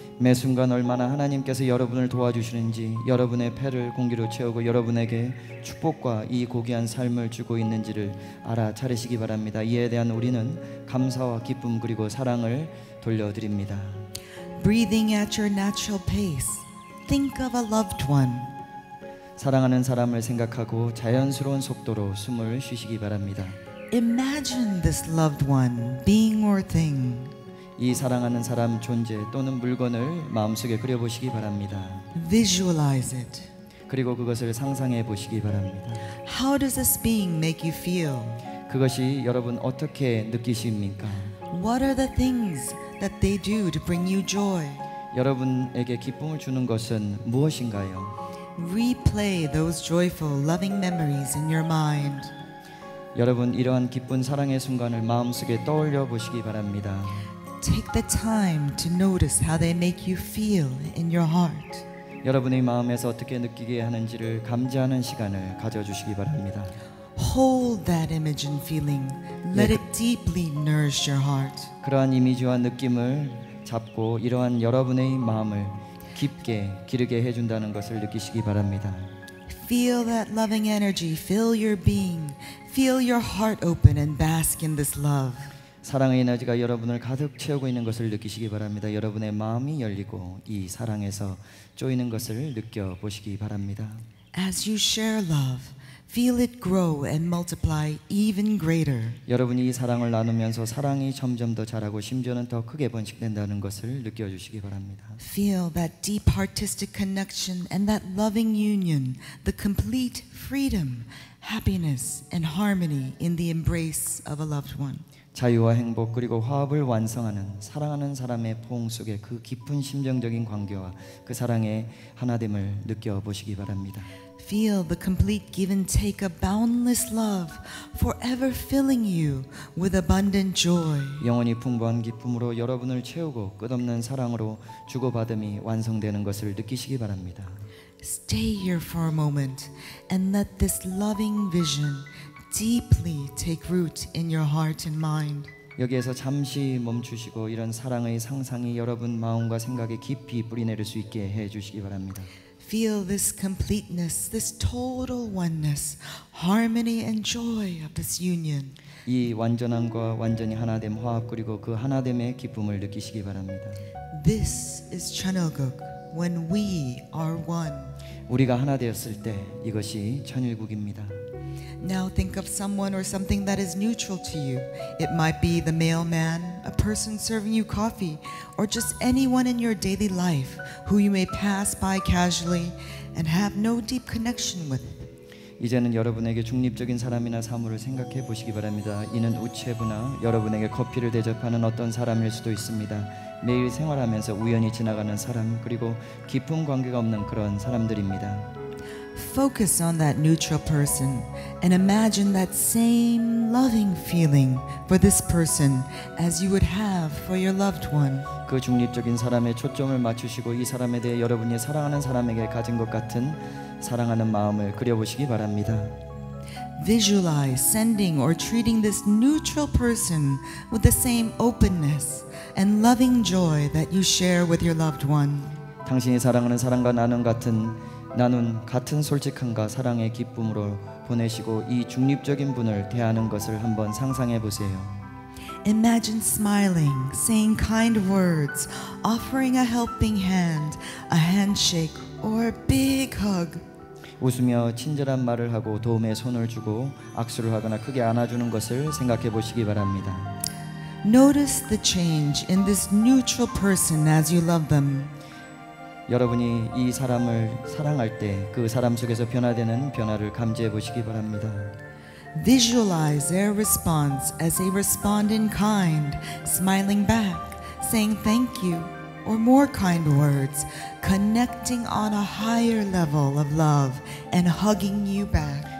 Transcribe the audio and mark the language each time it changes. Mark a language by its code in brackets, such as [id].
[ko] 매 순간 얼마나 하나님께서 여러분을 도와주시는지 여러분의 폐를 공기로 채우고 여러분에게 축복과 이 고귀한 삶을 주고 있는지를 알아차리시기 바랍니다. 이에 대한 우리는 감사와 기쁨 그리고 사랑을 돌려드립니다. [en] Breathing at your natural pace. Think of a loved one. [ko] 사랑하는 사람을 생각하고 자연스러운 속도로 숨을 쉬시기 바랍니다. [en] Imagine this loved one, being or thing. [ko] 이 사랑하는 사람 존재 또는 물건을 마음속에 그려보시기 바랍니다. [en] Visualize it. [ko] 그리고 그것을 상상해 보시기 바랍니다. [en] How does this being make you feel? [ko] 그것이 여러분 어떻게 느끼십니까? [en] What are the things that they do to bring you joy? [ko] 여러분에게 기쁨을 주는 것은 무엇인가요? [en] Replay those joyful, loving memories in your mind. [ko] 여러분 이러한 기쁜 사랑의 순간을 마음속에 떠올려 보시기 바랍니다. [en] Take the time to notice how they make you feel in your heart. [ko] 여러분의 마음에서 어떻게 느끼게 하는지를 감지하는 시간을 가져주시기 바랍니다. [en] Hold that image and feeling. Let it deeply nourish your heart. [ko] 그러한 이미지와 느낌을 잡고 이러한 여러분의 마음을 깊게 기르게 해준다는 것을 느끼시기 바랍니다. [en] Feel that loving energy fill your being. Feel your heart open and bask in this love. [ko] 사랑의 에너지가 여러분을 가득 채우고 있는 것을 느끼시기 바랍니다. 여러분의 마음이 열리고 이 사랑에서 쪼이는 것을 느껴보시기 바랍니다. [en] As you share love, feel it grow and multiply even greater. [ko] 여러분이 이 사랑을 나누면서 사랑이 점점 더 자라고 심지어는 더 크게 번식된다는 것을 느껴주시기 바랍니다. [en] Feel that deep artistic connection and that loving union, the complete freedom, happiness and harmony in the embrace of a loved one. [ko] 자유와 행복 그리고 화합을 완성하는 사랑하는 사람의 포옹 속에 그 깊은 심정적인 관계와 그 사랑의 하나됨을 느껴보시기 바랍니다. [en] Feel the complete give and take of boundless love forever filling you with abundant joy. [ko] 영원히 풍부한 기쁨으로 여러분을 채우고 끝없는 사랑으로 주고받음이 완성되는 것을 느끼시기 바랍니다. [en] Stay here for a moment and let this loving vision deeply take root in your heart and mind. [ko] 여기에서 잠시 멈추시고 이런 사랑의 상상이 여러분 마음과 생각에 깊이 뿌리내릴 수 있게 해 주시기 바랍니다. [en] Feel this completeness, this total oneness, harmony and joy of this union. [ko] 이 완전함과 완전히 하나됨 화합 그리고 그 하나됨의 기쁨을 느끼시기 바랍니다. [en] This is Chaneulguk when we are one. [ko] 우리가 하나 되었을 때 이것이 천일국입니다. [en] Now think of someone or something that is neutral to you. It might be the mailman, a person serving you coffee, or just anyone in your daily life who you may pass by casually and have no deep connection with. [ko] 이제는 여러분에게 중립적인 사람이나 사물을 생각해 보시기 바랍니다. 이는 우체부나 여러분에게 커피를 대접하는 어떤 사람일 수도 있습니다. 매일 생활하면서 우연히 지나가는 사람 그리고 깊은 관계가 없는 그런 사람들입니다. [en] Focus on that neutral person and imagine that same loving feeling for this person as you would have for your loved one. [ko] 그 중립적인 사람의 초점을 맞추시고 이 사람에 대해 여러분이 사랑하는 사람에게 가진 것 같은 사랑하는 마음을 그려보시기 바랍니다. [en] visualize sending or treating this neutral person with the same openness and loving joy that you share with your loved one. [ko] 당신이 사랑하는 사람과 나는 같은 나눈 같은 솔직함과 사랑의 기쁨으로 보내시고 이 중립적인 분을 대하는 것을 한번 상상해 보세요. [en] Imagine smiling, saying kind words, offering a helping hand, a handshake, or a big hug. [ko] 웃으며 친절한 말을 하고 도움의 손을 주고 악수를 하거나 크게 안아주는 것을 생각해 보시기 바랍니다. [en] Notice the change in this neutral person as you love them. [ko] 여러분이 이 사람을 사랑할 때 그 사람 속에서 변화되는 변화를 감지해 보시기 바랍니다. [en] Visualize their response as they respond in kind, smiling back, saying thank you, or more kind words, connecting on a higher level of love and hugging you back.